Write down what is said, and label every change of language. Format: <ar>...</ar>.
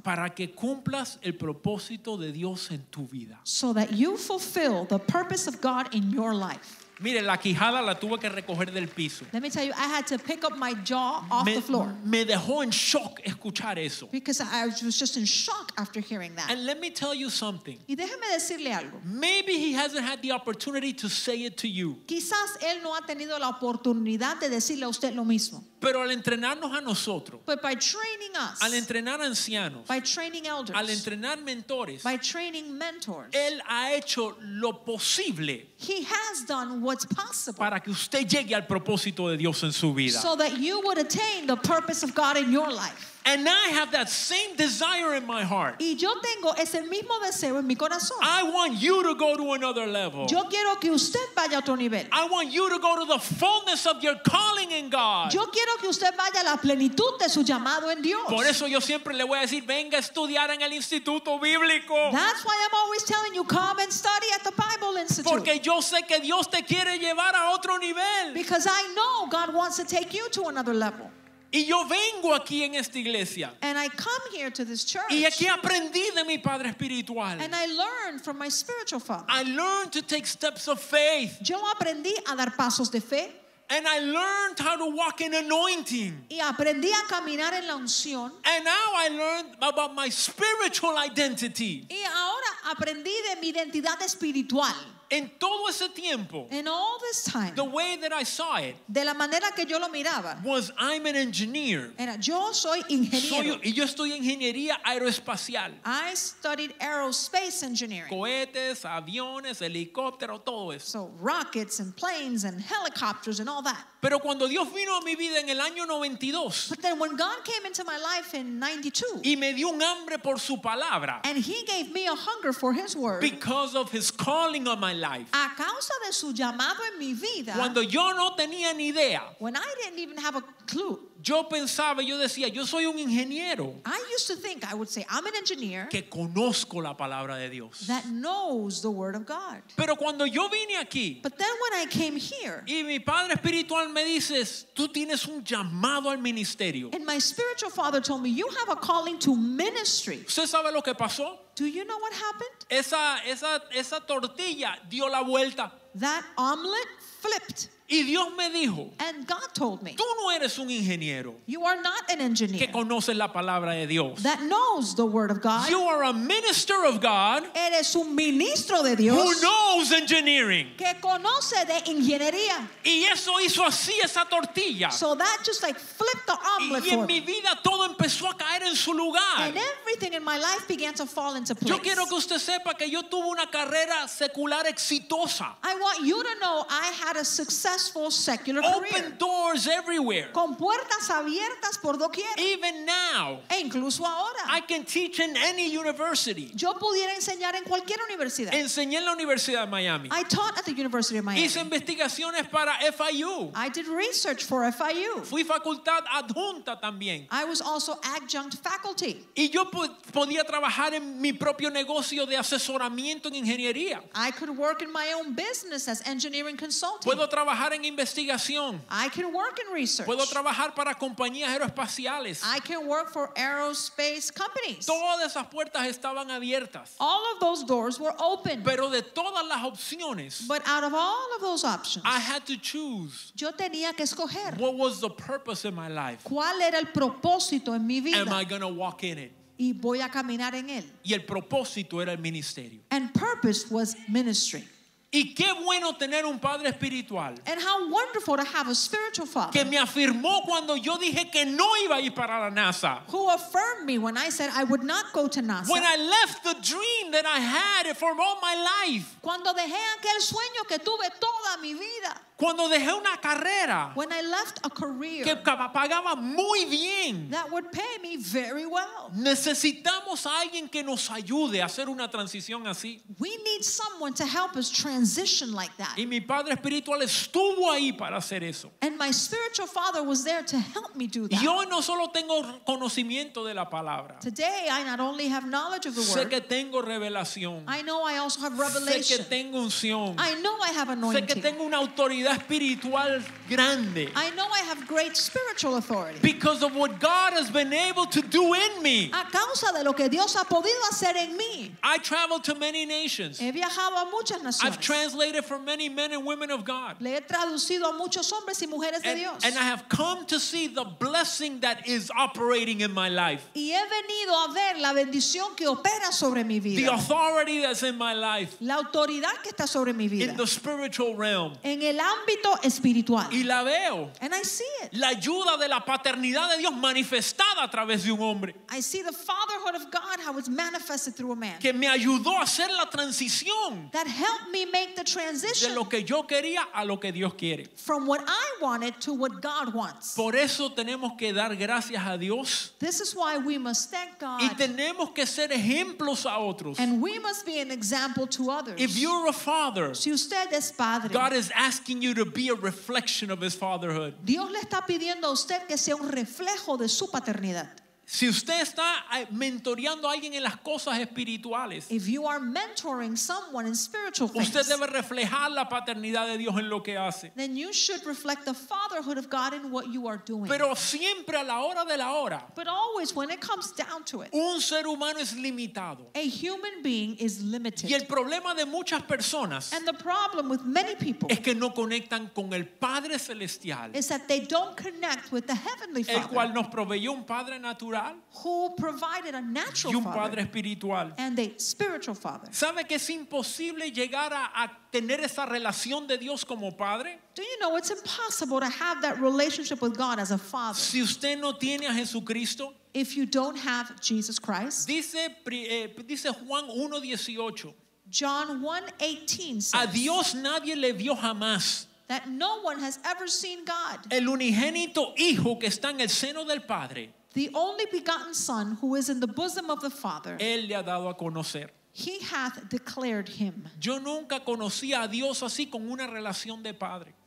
<es>Para que cumplas el propósito de Dios en tu vida.</es> <en>So that you fulfill the purpose of God in your life.</en> <es>Mire, la quijada la tuve que recoger del piso.</es> <en>Let me tell you, I had to pick up my jaw off the floor.</en> <es>Me dejó en shock escuchar eso.</es> <en>Because I was just in shock after hearing that. And let me tell you something.</en> <es>Y déjeme decirle algo.</es> <en>Maybe he hasn't had the opportunity to say it to you.</en> <es>Quizás él no ha tenido la oportunidad de decirle a usted lo mismo. Pero al entrenarnos a nosotros,</es> <en>but by training us,</en> <es>al entrenar ancianos,</es> <en>by training elders,</en> <es>al entrenar mentores,</es> <en>by training mentors,</en> <es>él ha hecho lo posible.</es> <en>He has done what's possible.</en> <es>Para que usted llegue al propósito de Dios en su vida.</es> <en>So that you would attain the purpose of God in your life. And I have that same desire in my heart.</en> <es>Y yo tengo ese mismo deseo en mi corazón.</es> <en>I want you to go to another level.</en> <es>Yo quiero que usted vaya a otro nivel.</es> <en>I want you to go to the fullness of your calling in God.</en> <es>Yo quiero que usted vaya a la plenitud de su llamado en Dios. Por eso yo siempre le voy a decir, venga a estudiar en el Instituto Bíblico.</es> <en>That's why I'm always telling you, come and study at the Bible Institute.</en> <es>Porque yo sé que Dios te quiere llevar a otro nivel.</es> <en>Because I know God wants to take you to another level.</en> <es>Y yo vengo aquí en esta iglesia.</es> <en>And I come here to this church.</en> <es>Y aquí aprendí de mi padre espiritual.</es> <en>And I learned from my spiritual father. I learned to take steps of faith.</en> <es>Yo aprendí a dar pasos de fe.</es> <en>And I learned how to walk in anointing.</en> <es>Y aprendí a caminar en la unción.</es> <en>And now I learned about my spiritual identity.</en> <es>Y ahora aprendí de mi identidad espiritual. En todo ese tiempo,</es> <en>in all this time, the way that I saw it,</en> <es>de la manera que yo lo miraba,</es> <en>was I'm an engineer.</en> <es>Era, yo soy ingeniero. Yo estoy ingeniería aeroespacial.</es> <en>I studied aerospace engineering.</en> <es>Cohetes, aviones, helicóptero, todo eso.</es> <en>So rockets and planes and helicopters and all that.</en> <es>Pero cuando Dios vino a mi vida en el año 92,</es> <en>but then when God came into my life in 92,</en> <es>y me dio un hambre por su palabra,</es> <en>and he gave me a hunger for his word, because of his calling on my life,</en> <es>a causa de su llamado en mi vida, cuando yo no tenía ni idea,</es> <en>when I didn't even have a clue,</en> <es>yo pensaba, yo decía, yo soy un ingeniero,</es> <en>I used to think, I would say, I'm an engineer,</en> <es>que conozco la palabra de Dios,</es> <en>that knows the word of God.</en> <es>Pero cuando yo vine aquí,</es> <en>but then when I came here,</en> <es>y mi padre espiritual me dice, tú tienes un llamado al ministerio,</es> <en>and my spiritual father told me, you have a calling to ministry.</en> <es>¿Usted sabe lo que pasó?</es> <en>Do you know what happened?</en> <es>Esa tortilla dio la vuelta.</es> <en>That omelet flipped.</en> <es>Y Dios me dijo,</es> <en>and God told me,</en> <es>tú no eres un ingeniero,</es> <en>you are not an engineer,</en> <es>que conoce la palabra de Dios,</es> <en>that knows the word of God. You are a minister of God,</en> <es>eres un ministro de Dios,</es> <en>who knows engineering,</en> <es>que conoce de ingeniería. Y eso hizo así esa tortilla.</es> <en>So that just like flipped the omelet.</en> <es>Y en mi vida todo empezó a caer en su lugar.</es> <en>And everything in my life began to fall into place.</en> <es>Yo quiero que usted sepa que yo tuve una carrera secular exitosa.</es> <en>I want you to know I had a success. Successful secular open career. Doors everywhere.</en> <es>Con puertas abiertas por doquier.</es> <en>Even now.</en> <es>E incluso ahora.</es> <en>I can teach in any university.</en> <es>Yo pudiera enseñar en cualquier universidad. Enseñé en la Universidad de Miami.</es> <en>I taught at the University of Miami.</en> <es>Hice investigaciones para FIU.</es> <en>I did research for FIU.</en> <es>Fui facultad adjunta también.</es> <en>I was also adjunct faculty.</en> <es>Y yo podía trabajar en mi propio negocio de asesoramiento en ingeniería.</es> <en>I could work in my own business as engineering consulting.</en> <es>Puedo trabajar en investigación.</es> <en>I can work in research.</en> <es>Puedo trabajar para compañías aeroespaciales.</es> <en>I can work for aerospace companies.</en> <es>Todas esas puertas estaban abiertas.</es> <en>All of those doors were open.</en> <es>Pero de todas las opciones,</es> <en>but out of all of those options, I had to choose.</en> <es>Yo tenía que escoger.</es> <en>What was the purpose in my life?</en> <es>¿Cuál era el propósito en mi vida?</es> <en>Am I going to walk in it?</en> <es>Y voy a caminar en él. Y el propósito era el ministerio.</es> <en>And purpose was ministry.</en> <es>Y qué bueno tener un padre espiritual.</es> <en>And how wonderful to have a spiritual father.</en> <es>Que me afirmó cuando yo dije que no iba a ir para la NASA.</es> <en>Who affirmed me when I said I would not go to NASA. When I left the dream that I had for all my life.</en> <es>Cuando dejé aquel sueño que tuve toda mi vida. Cuando dejé una carrera.</es> <en>When I left a career.</en> <es>Que pagaba muy bien.</es> <en>That would pay me very well.</en> <es>Necesitamos a alguien que nos ayude a hacer una transición así.</es> <en>We need someone to help us transition like that.</en> <es>Y mi padre espiritual estuvo ahí para hacer eso.</es> <en>And my spiritual father was there to help me do that.</en> <es>Yo no solo tengo conocimiento de la palabra.</es> <en>Today I not only have knowledge of the word.</en> <es>Sé que tengo revelación.</es> <en>I know I also have revelation.</en> <es>Sé que tengo unción.</es> <en>I know I have anointing.</en> <es>Sé que tengo una autoridad espiritual grande.</es> <en>I know I have great spiritual authority. Because of what God has been able to do in me.</en> <es>A causa de lo que Dios ha podido hacer en mí.</es> <en>I traveled to many nations.</en> <es>He viajado a muchas naciones.</es> <en>I've translated for many men and women of God.</en> <es>Le he traducido a muchos hombres y mujeres de Dios.</es> <en>And I have come to see the blessing that is operating in my life.</en> <es>Y he venido a ver la bendición que opera sobre mi vida.</es> <en>The authority that's in my life.</en> <es>La autoridad que está sobre mi vida.</es> <en>In the spiritual realm.</en> <es>En el ámbito espiritual. Y la veo.</es> <en>And I see it.</en> <es>La ayuda de la paternidad de Dios manifestada a través de un hombre.</es> <en>I see the fatherhood of God, how it's manifested through a man.</en> <es>Que me ayudó a hacer la transición.</es> <en>That helped me make the transition</en> <es>de lo que yo quería a lo que Dios quiere.</es> <en>From what I wanted to what God wants.</en> <es>Por eso tenemos que dar gracias a Dios.</es> <en>This is why we must thank God.</en> <es>Y tenemos que ser ejemplos a otros.</es> <en>And we must be an example to others. If you're a father,</en> <es>si usted es padre,</es> <en>God is asking you to be a reflection of his fatherhood.</en> <es>Dios le está pidiendo a usted que sea un reflejo de su paternidad. Si usted está mentoreando a alguien en las cosas espirituales,</es> <en>if you are mentoring someone in spiritual things,</en> <es>usted debe reflejar la paternidad de Dios en lo que hace.</es> <en>Then you should reflect the fatherhood of God in what you are doing.</en> <es>Pero siempre a la hora de la hora,</es> <en>but always when it comes down to it,</en> <es>un ser humano es limitado.</es> <en>A human being is limited.</en> <es>Y el problema de muchas personas,</es> <en>and the problem with many people,</en> <es>es que no conectan con el Padre Celestial,</es> <en>is that they don't connect with the Heavenly Father,</en> <es>el cual nos proveyó un Padre natural,</es> <en>who provided a natural</en> <es>y un padre espiritual,</es> <en>and a spiritual father.</en> <es>¿Sabe que es imposible llegar a tener esa relación de Dios como padre?</es> <en>Do you know it's impossible to have that relationship with God as a father?</en> <es>Si usted no tiene a Jesucristo,</es> <en>if you don't have Jesus Christ,</en> <es>dice Juan 1:18.</es> <en>John 1:18 says,</en> <es>a Dios nadie le vio jamás.</es> <en>That no one has ever seen God.</en> <es>El unigénito hijo que está en el seno del padre,</es> <en>the only begotten Son who is in the bosom of the Father,</en> <es>él le ha dado a conocer.</es> <en>He hath declared him.</en> <es>Yo nunca conocí a Dios así con una relación de padre.</es>